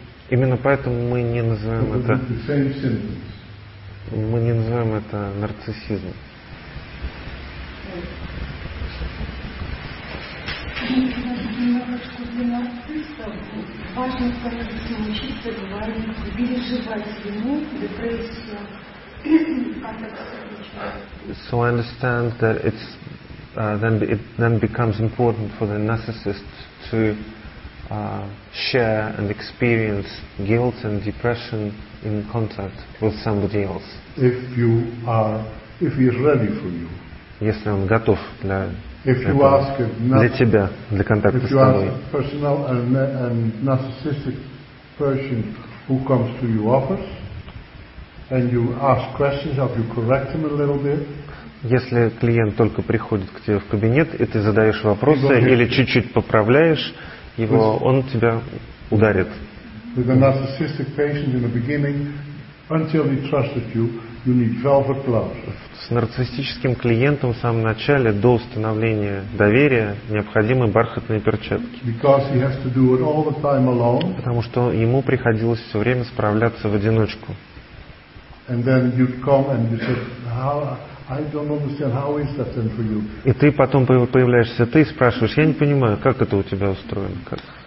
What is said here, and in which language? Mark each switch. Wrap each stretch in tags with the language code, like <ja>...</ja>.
<ru>Именно поэтому мы не называем это нарциссизмом. Важно становится научиться говорить, переживать вину, депрессию, контакт с личностью.</ru> <en>So I understand that it's then becomes important for the narcissist to share and experience guilt and depression in contact with somebody else. If he is ready for you.</en> <ru>Если он готов для</ru> <en>If you ask</en> <ru>для тебя, для контакта с тобой.</ru> <en>Personal and narcissistic person who comes to your office and you ask questions, if you correct him a little bit.</en> <ru>Если клиент только приходит к тебе в кабинет, и ты задаешь вопросы или чуть-чуть поправляешь его, он тебя ударит.</ru> <en>With a narcissistic patient in the beginning, until he trusted you. You need velvet gloves.</en> <ru>С нарциссическим клиентом в самом начале, до установления доверия, необходимы бархатные перчатки.</ru> <en>Because he has to do it all the time alone.</en> <ru>Потому что ему приходилось все время справляться в одиночку.</ru> <en>And then you'd come and you said, "How? I don't understand. How is that then for you?"</en> <ru>И ты потом появляешься, ты спрашиваешь: "Я не понимаю, как это у тебя устроено, как?"</ru>